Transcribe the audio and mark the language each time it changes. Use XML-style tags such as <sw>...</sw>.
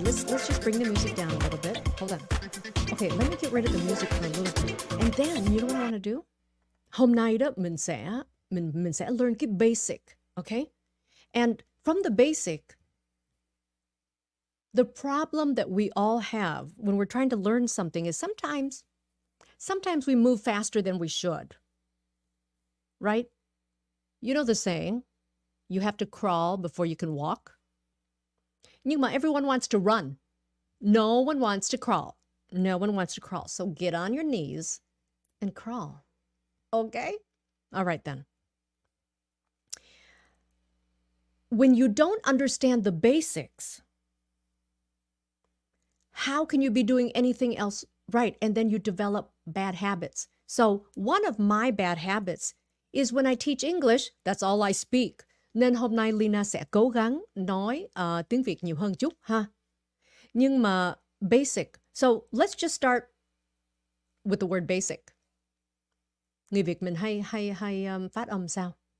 <en>Let's just bring the music down a little bit. Hold on. Okay, let me get rid of the music for a little bit. And then, you know what I want to do?</en> <vi>Hôm nay đó, mình sẽ learn cái basic, okay?</vi> <en>And from the basic, the problem that we all have when we're trying to learn something is sometimes we move faster than we should, right? You know the saying, you have to crawl before you can walk.</en> <vi>Nhưng mà</vi> <en>everyone wants to run. No one wants to crawl. No one wants to crawl. So get on your knees and crawl. Okay? All right then. When you don't understand the basics, how can you be doing anything else right? And then you develop bad habits. So one of my bad habits is when I teach English, that's all I speak.</en> <vi>Nên hôm nay Lina sẽ cố gắng nói tiếng Việt nhiều hơn chút, ha? Nhưng mà basic.</vi> <en>So let's just start with the word basic.</en> <vi>Người Việt mình hay phát âm sao?</vi>